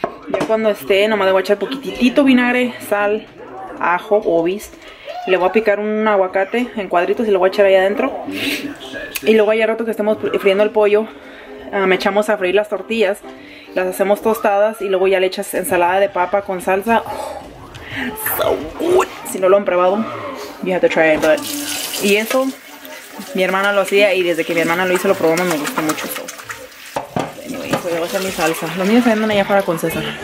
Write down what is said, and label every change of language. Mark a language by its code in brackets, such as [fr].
[es] Ya cuando esté, nomás le voy a echar poquitito vinagre, sal, ajo, obis. Le voy a picar un aguacate en cuadritos y lo voy a echar ahí adentro. Y luego allá rato que estemos friendo el pollo, me echamos a freír las tortillas, las hacemos tostadas y luego ya le echas ensalada de papa con salsa. [en] Oh, so good. [es] Si no lo han probado, [en] you have to try it. But, [es] y eso, mi hermana lo hacía y desde que mi hermana lo hizo, lo probamos, me gustó mucho. [en] So. Anyway, [es] voy a hacer mi salsa. Los niños se venden allá afuera con César.